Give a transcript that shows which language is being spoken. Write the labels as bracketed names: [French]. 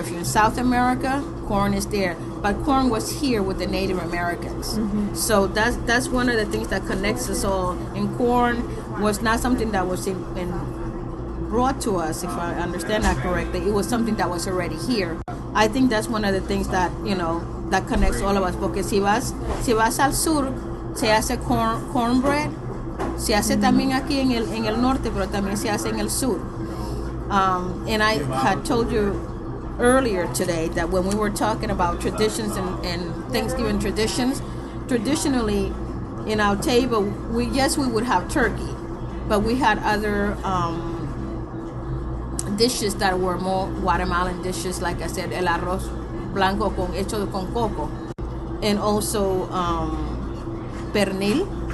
[English] If you're in South America, corn is there. But corn was here with the Native Americans. Mm-hmm. So that's one of the things that connects us all. And corn was not something that was in brought to us, if I understand that correctly. It was something that was already here. I think that's one of the things that, you know, that connects all of us. [Spanish] Porque si vas al sur, se hace cornbread. Se hace también aquí en el norte, pero también se hace en el sur. [English] And I had told you earlier today that when we were talking about traditions and Thanksgiving traditions, traditionally in our table, we would have turkey, but we had other dishes that were more Guatemalan dishes, like I said, [Spanish] el arroz blanco con hecho con coco, [English] and also pernil.